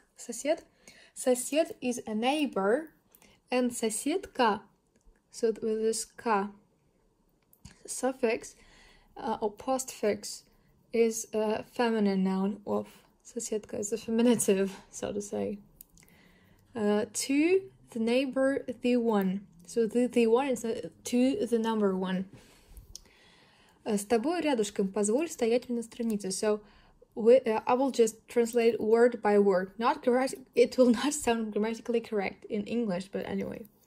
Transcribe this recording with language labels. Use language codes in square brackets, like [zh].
[en] Сосед is a neighbor, and соседка, so with this ка suffix, or postfix is a feminine noun of соседка, is a feminative, so to say. To the neighbor, the one. So the one is to the number one. [ru] С тобой рядышком позволь стоять на странице. [en] So I will just translate word by word. Not correct, it will not sound grammatically correct in English, but anyway.